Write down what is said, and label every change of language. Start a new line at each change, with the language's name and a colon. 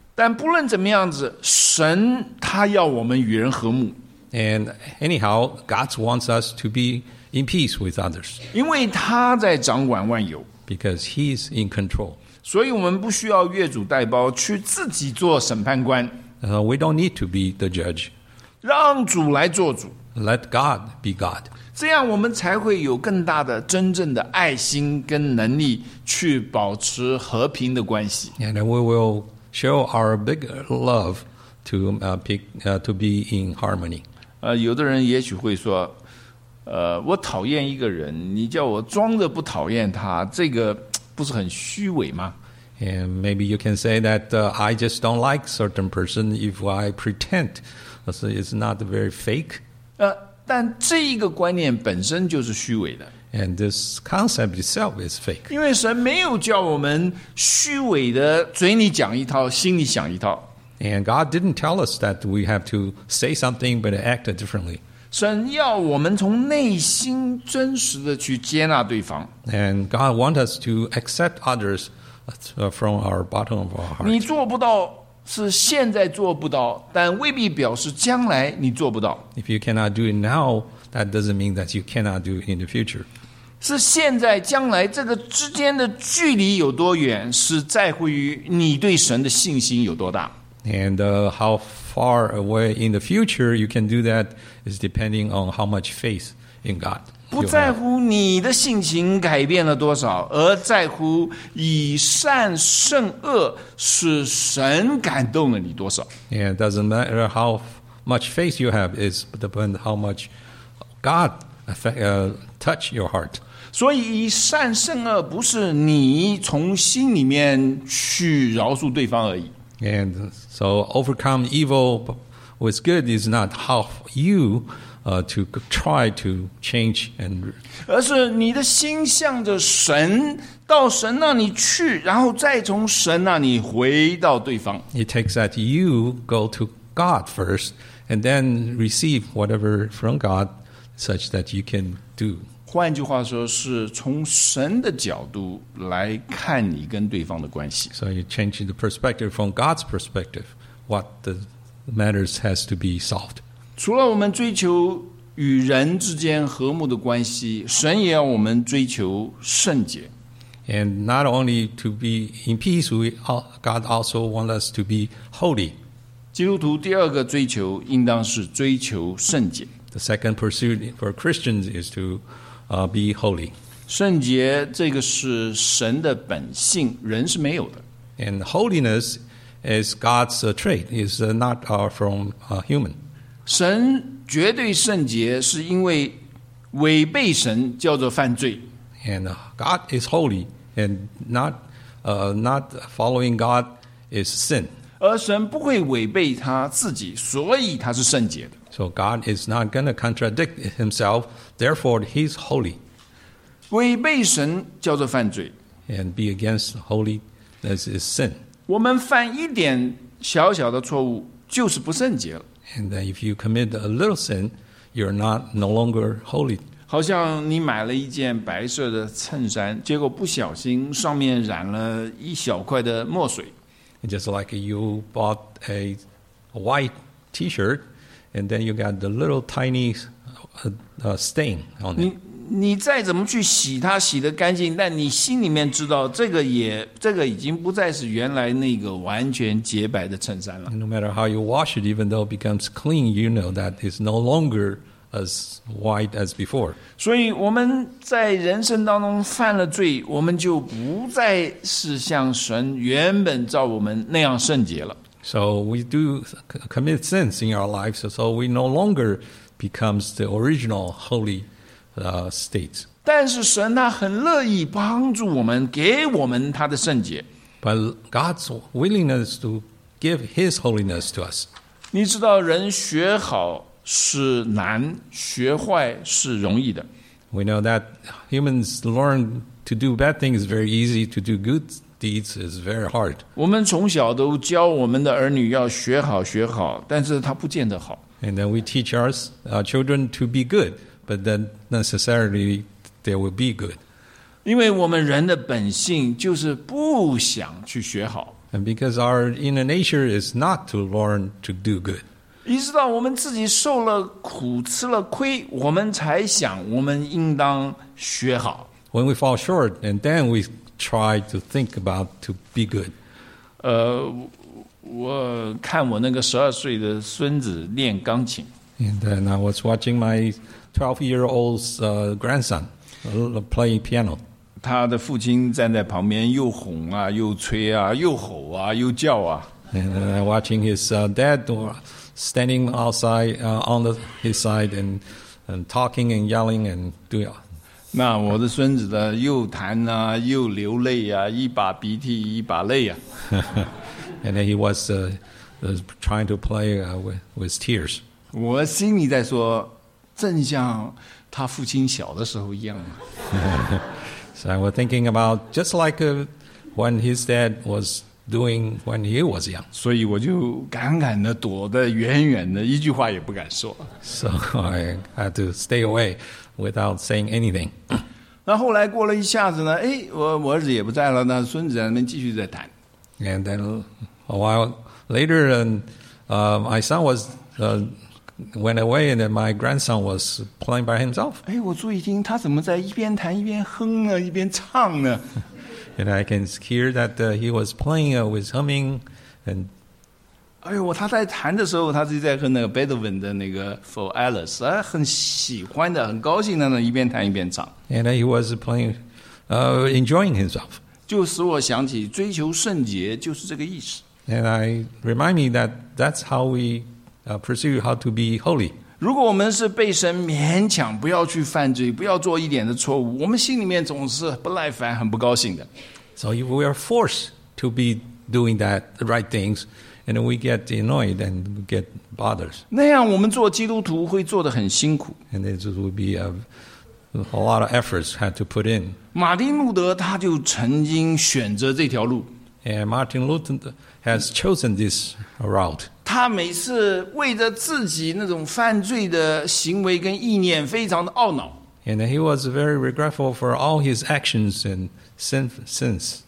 Chinese: 但不论怎么样子，神他要我们与人和睦。
English: And anyhow, God wants us to be in peace with others.
Chinese: 因为他在掌管万有。
English: Because he's in control.
Chinese: 所以我们不需要越俎代庖去自己做审判官。
English: We don't need to be the judge.
Chinese: 让主来做主。
English: Let God be God.
Chinese: 这样我们才会有更大的真正的爱心跟能力去保持和平的关系。
English: And we will show our big love to be in harmony.
Chinese: 有的人也许会说，我讨厌一个人，你叫我装着不讨厌他，这个不是很虚伪吗？
English: And maybe you can say that I just don't like certain person if I pretend. So it's not very fake.
Chinese: 但这一个观念本身就是虚伪的。
English: And this concept itself is fake.
Chinese: 因为神没有叫我们虚伪的嘴里讲一套，心里想一套。
English: And God didn't tell us that we have to say something but act differently.
Chinese: 神要我们从内心真实的去接纳对方。
English: And God wants us to accept others from our bottom of our heart.
Chinese: 你做不到是现在做不到，但未必表示将来你做不到。
English: If you cannot do it now, that doesn't mean that you cannot do it in the future.
Chinese: 是现在将来这个之间的距离有多远，是在乎于你对神的信心有多大。
English: And how far away in the future you can do that is depending on how much faith in God.
Chinese: 不在乎你的性情改变了多少，而在乎以善胜恶使神感动了你多少。
English: And it doesn't matter how much faith you have, it depends how much God touch your heart.
Chinese: 所以以善胜恶不是你从心里面去饶恕对方而已。
English: And so overcome evil with good is not how you to try to change and.
Chinese: 而是你的心向着神，到神那里去，然后再从神那里回到对方。
English: It takes that you go to God first and then receive whatever from God such that you can do.
Chinese: 换句话说，是从神的角度来看你跟对方的关系。
English: So you change the perspective from God's perspective, what the matters has to be solved.
Chinese: 除了我们追求与人之间和睦的关系，神也要我们追求圣洁。
English: And not only to be in peace, God also wants us to be holy.
Chinese: 基督徒第二个追求应当是追求圣洁。
English: The second pursuit for Christians is to be holy.
Chinese: 圣洁这个是神的本性，人是没有的。
English: And holiness is God's trait, is not from human.
Chinese: 神绝对圣洁是因为违背神叫做犯罪。
English: And God is holy, and not following God is sin.
Chinese: 而神不会违背他自己，所以他是圣洁的。
English: So God is not going to contradict himself, therefore he's holy.
Chinese: 违背神叫做犯罪。
English: And be against holiness is sin.
Chinese: 我们犯一点小小的错误就是不圣洁了。
English: And then if you commit a little sin, you're not no longer holy.
Chinese: 好像你买了一件白色的衬衫，结果不小心上面染了一小块的墨水。
English: And just like you bought a white t-shirt,And then you got the little tiny stain on it.
Chinese: 你再怎么去洗它，洗得干净，但你心里面知道，这个已经不再是原来那个完全洁白的衬衫了。
English: No matter how you wash it, even though it becomes clean, you know that it's no longer as white as before.
Chinese: 所以我们在人生当中犯了罪，我们就不再是像神原本造我们那样圣洁了。
English: So we do commit sins in our lives, so we no longer become the original holy state.
Chinese: 但是神他很乐意帮助我们，给我们他的圣洁。
English: But God's willingness to give his holiness to us.
Chinese: 你知道人学好是难，学坏是容易的。
English: We know that humans learn to do bad things very easy, to do good deeds is very hard.
Chinese: 我们从小都教我们的儿女要学好学好，但是他不见得好。
English: And then we teach our children to be good, but then necessarily they will be good.
Chinese: 因为我们人的本性就是不想去学好。
English: And because our inner nature is not to learn to do good.
Chinese: 一直到我们自己受了苦吃了亏，我们才想我们应当学好。
English: When we fall short, and then we try to think about to be good.
Chinese: 我看我那个十二岁的孙子练钢琴。
English: And then I was watching my 12-year-old's grandson playing piano.
Chinese: 他的父亲站在旁边又哄啊又吹啊又吼啊又叫啊。
English: And then I'm watching his dad standing outside on his side and talking and yelling and doing all.
Chinese: 那我的孙子呢又弹啊又流泪啊一把鼻涕一把泪啊。
English: And then he was trying to play with tears.
Chinese: 我心里在说正像他父亲小的时候一样。
English: So I was thinking about just like when his dad was doing when he was young.
Chinese: 所以我就赶赶的躲得远远的一句话也不敢说。
English: So I had to stay away. Without saying anything.
Chinese: 那后来过了一下子呢，哎，我儿子也不在了，那孙子在那边继续在弹。
English: And then a while later, and my son was went away, and then my grandson was playing by himself.
Chinese: 哎，我注意听，他怎么在一边弹一边哼呢，一边唱呢
English: ？And I can hear that he was playing with humming and.
Chinese: 哎呦，他在弹的时候，他自己在哼那个贝多芬的那个《For Alice》，啊，很喜欢的，很高兴的呢，一边弹一边唱。
English: And he was playing, enjoying himself.
Chinese: 就使我想起追求圣洁就是这个意思。
English: And I remind me that that's how we pursue how to be holy.
Chinese: 如果我们是被神勉强不要去犯罪，不要做一点的错误，我们心里面总是不耐烦，很不高兴的。
English: So if we are forced to be doing that the right things. And we get annoyed and get bothered.
Chinese: 那样我们做基督徒会做得很辛苦。
English: And it would be a lot of efforts had to put in.
Chinese: 马丁路德他就曾经选择这条路。
English: And Martin Luther has chosen this route.
Chinese: 他每次为着自己那种犯罪的行为跟意念非常的懊恼。
English: And he was very regretful for all his actions and sins.